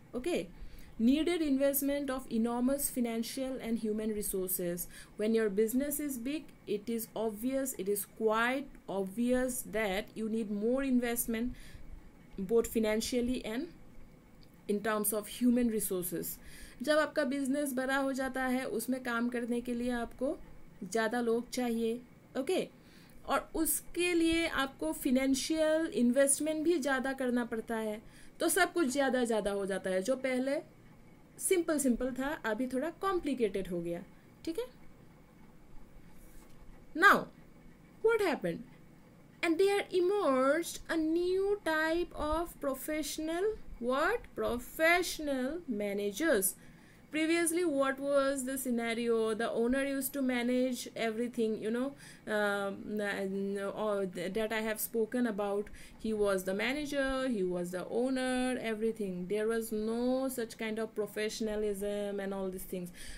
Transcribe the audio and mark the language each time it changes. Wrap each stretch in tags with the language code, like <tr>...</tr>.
<en>Okay, needed investment of enormous financial and human resources. When your business is big, it is obvious, it is quite obvious that you need more investment, both financially and in terms of human resources.</en> <hi>जब आपका business बड़ा हो जाता है, उसमें काम करने के लिए आपको ज़्यादा लोग चाहिए, okay? और उसके लिए आपको financial investment भी ज़्यादा करना पड़ता है, तो सब कुछ ज़्यादा ज़्यादा हो जाता है, जो पहले सिंपल सिंपल था, अभी थोड़ा कॉम्प्लिकेटेड हो गया. ठीक है.</hi> <en>Now what happened, and there emerged a new type of professional, what, professional managers. Previously, what was the scenario? The owner used to manage everything, you know, that I have spoken about. He was the manager, he was the owner, everything. There was no such kind of professionalism and all these things.</en>